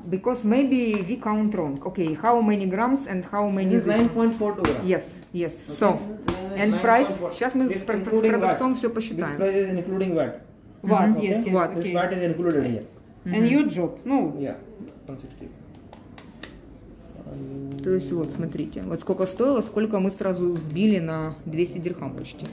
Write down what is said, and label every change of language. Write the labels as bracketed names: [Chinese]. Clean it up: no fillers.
[English] Because maybe we count wrong. Okay, how many grams and how many... This is 9.4 euro. Yes, yes. Okay. So, and price... [Russian] Сейчас мы с продавцом все посчитаем. [English] This price is including VAT. VAT, mm-hmm. Yes, yes. VAT. This VAT is included here. Mm-hmm. And your job? No. Yeah, 160. [Russian] То есть вот, смотрите, вот сколько стоило, сколько мы сразу сбили на 200 дирхам почти.